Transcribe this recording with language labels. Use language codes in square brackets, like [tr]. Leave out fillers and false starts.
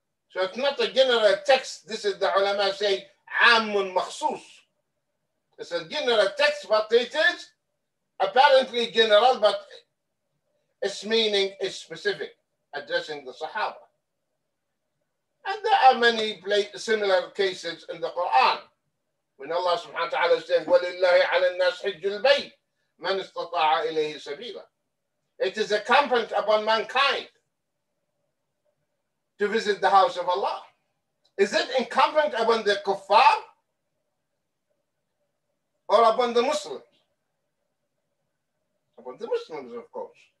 [en] So it's not a general text. This is the ulama say, Ammun makhsus. It's a general text, but it is apparently general, but its meaning is specific, addressing the Sahaba. And there are many similar cases in the Quran. When Allah subhanahu wa ta'ala says, [ar] وَلِلَّهِ عَلَى النَّاسِ حِجُّ الْبَيْتِ مَنْ اسْتَطَاعَ إِلَيْهِ سَبِيلًا. [en] It is incumbent upon mankind to visit the house of Allah. Is it incumbent upon the kuffar or upon the Muslims? Upon the Muslims, of course.